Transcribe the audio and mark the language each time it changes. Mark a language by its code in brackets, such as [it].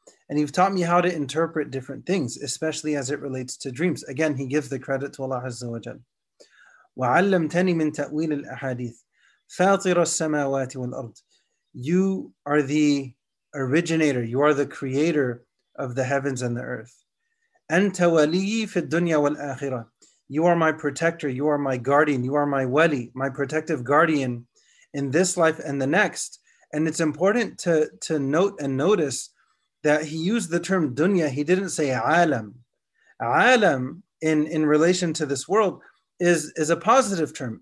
[en] And you've taught me how to interpret different things, especially as it relates to dreams. Again, he gives the credit to Allah Azza wa Jal. [ar] Wa 'allamtani min ta'wil al-ahadith. Fatir as-samawati wal-ard. [en] You are the originator, you are the creator of the heavens and the earth. [ar] أنت وليي في الدنيا والآخرة. [en] You are my protector, you are my guardian, you are my wali, my protective guardian in this life and the next. And it's important to note and notice that he used the term dunya. He didn't say alam. Alam in relation to this world is a positive term.